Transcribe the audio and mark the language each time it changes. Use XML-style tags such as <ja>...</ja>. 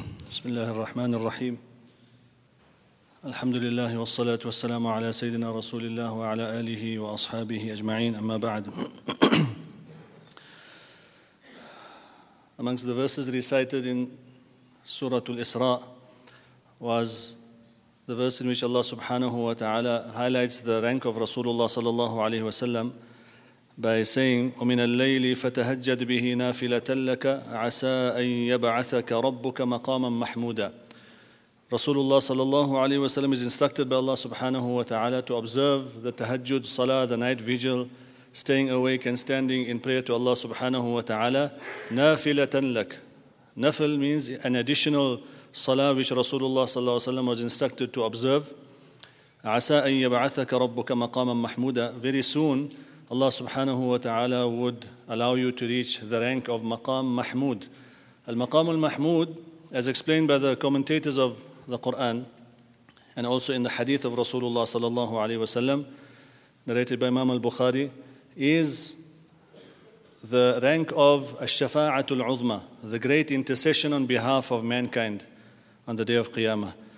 <ar>بسم الله الرحمن الرحيم الحمد لله والصلاة والسلام على سيدنا رسول الله وعلى آله وأصحابه أجمعين أما بعد.</ar> <en>Amongst the verses recited in Surah Al-Isra was the verse in which Allah subhanahu wa ta'ala highlights the rank of Rasulullah sallallahu alayhi wa sallam by saying,</en> <ar>وَمِنَ اللَّيْلِ فَتَهَجَّدْ بِهِ نَافِلَةً لَكَ عَسَىٰ أَن يَبْعَثَكَ رَبُّكَ مَقَامًا مَحْمُودًا.</ar> <en>Rasulullah sallallahu alayhi wa sallam is instructed by Allah subhanahu wa ta'ala to observe the tahajjud, salah, the night vigil, staying awake and standing in prayer to Allah subhanahu wa ta'ala,</en> <ar>نَافِلَةً لَكَ.</ar> <en>Nafil means an additional salah which Rasulullah sallallahu alayhi wa sallam was instructed to observe.</en> <ar>عَسَىٰ أَن يَبْعَثَكَ رَبُّكَ مَقَامًا مَحْمُودًا.</ar> <en>Very soon, Allah subhanahu wa ta'ala would allow you to reach the rank of maqam mahmood. Al-maqam al-mahmood, as explained by the commentators of the Qur'an and also in the hadith of Rasulullah sallallahu alayhi wa sallam, narrated by Imam al-Bukhari, is the rank of al-shafa'atul uzma, the great intercession on behalf of mankind on the day of Qiyamah.</en>